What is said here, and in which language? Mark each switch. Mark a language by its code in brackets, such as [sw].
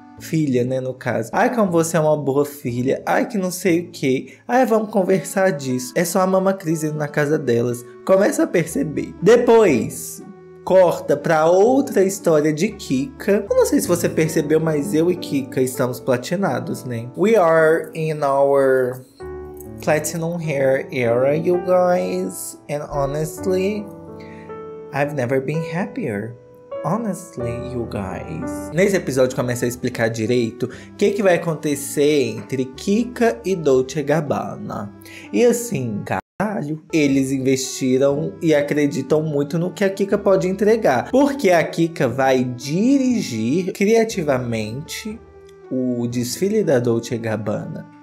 [pt] Filha, né, no caso. Ai, como você é uma boa filha. Ai, que não sei o quê. Ai, vamos conversar disso. É só a Mama Cris indo na casa delas. Começa a perceber. Depois, corta pra outra história de Kika. Eu não sei se você percebeu, mas eu e Kika estamos platinados, né? [en] We are in our platinum hair era, you guys. And honestly, I've never been happier. Honestly, you guys. [pt] Nesse episódio começa a explicar direito o que vai acontecer entre Kika e Dolce & Gabbana. E assim, caralho, eles investiram e acreditam muito no que a Kika pode entregar. Porque a Kika vai dirigir criativamente o desfile da Dolce & Gabbana.